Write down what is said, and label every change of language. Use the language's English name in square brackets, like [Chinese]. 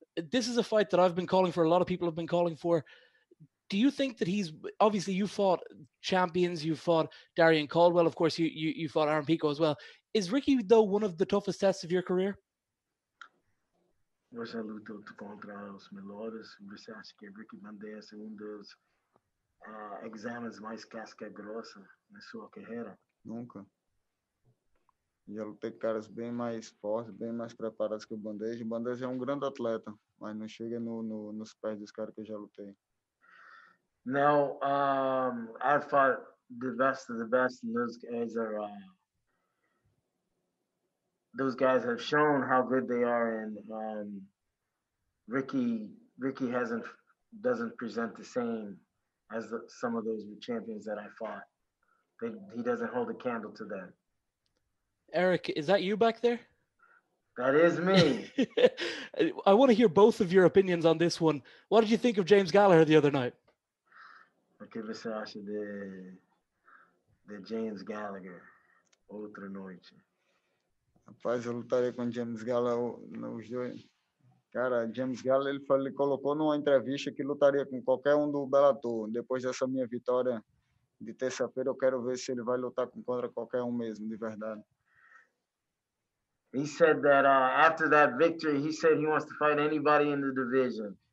[English] This is a fight that I've been calling for, a lot of people have been calling for. Do you think that he's, obviously you fought champions, you fought Darian Caldwell, of course you fought Aaron Pico as well. Is Ricky, though, one of the toughest tests of your career? [Portuguese] Você lutou contra os melhores, você acha que Ricky Bandejas é dos exames mais casca grossa na sua carreira? Nunca. Já lutei com caras bem mais fortes, bem mais preparados que o Bandeja. O Bandeja é um grande atleta, mas não chega nos pés dos caras que eu já lutei. [English] Now, I fought the best of the best, and those guys are those guys have shown how good they are, and Ricky doesn't present the same as some of those champions that I fought. He doesn't hold a candle to them. Eric, is that you back there? That is me. I want to hear both of your opinions on this one. What did you think of James Gallagher the other night? [Portuguese] Okay, você acha de James Gallagher outra noite? Rapaz, eu lutaria com James Gallagher nos dois. Cara, James Gallagher, ele colocou numa entrevista que lutaria com qualquer um do Bellator. Depois dessa minha vitória de terça-feira, eu quero ver se ele vai lutar contra qualquer um mesmo, de verdade. [English] He said that after that victory, he said he wants to fight anybody in the division.